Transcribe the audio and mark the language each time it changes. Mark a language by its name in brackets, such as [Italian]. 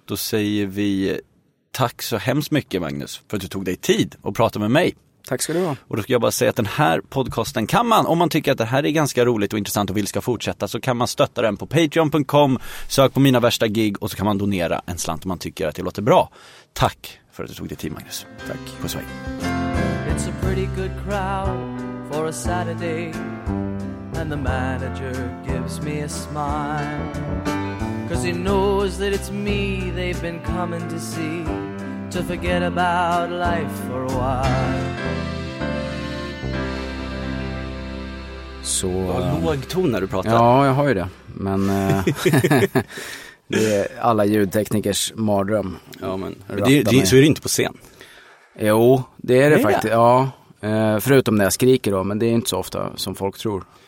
[Swedish] Då säger vi tack så hemskt mycket, Magnus, för att du tog dig tid att prata med mig. Tack ska du ha. Och då ska jag bara säga att den här podcasten kan man, om man tycker att det här är ganska roligt och intressant och vill ska fortsätta, så kan man stötta den på patreon.com. Sök på Mina värsta gig och så kan man donera en slant om man tycker att det låter bra. Tack för att du tog dig tid, Magnus. Tack. Puss och hej. [English] It's a pretty good crowd for a Saturday, and the manager gives me a smile, 'cause he knows that it's me they've been coming to see, to forget about life for a while. [Swedish] Så, du har låg ton när du pratar. Ja, jag har ju det. Men det är alla ljudteknikers mardröm. Ja, men så är det inte på scen. Jo, det är det faktiskt. Ja, förutom när jag skriker då, men det är inte så ofta som folk tror.